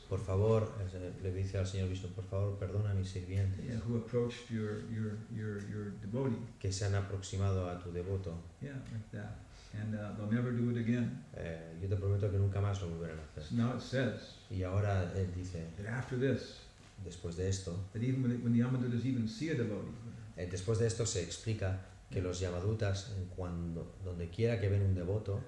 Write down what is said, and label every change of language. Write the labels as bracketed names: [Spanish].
[Spanish] Por favor, le dice al Señor Vishnu, por favor, perdona a mis sirvientes. [English] Yeah, who approached your devotee. [Spanish] Que se han aproximado a tu devoto. [English] Yeah, like that. And they'll never do it again. [Spanish] Yo te prometo que nunca más lo volverán a hacer. [English] So now it says, [Spanish] y ahora él dice, [English] that after this, [Spanish] después de esto, [English] that even when the Yamadutas even see a devotee, [Spanish] después de esto se explica que los Yamadutas, cuando donde quiera que ven un devoto,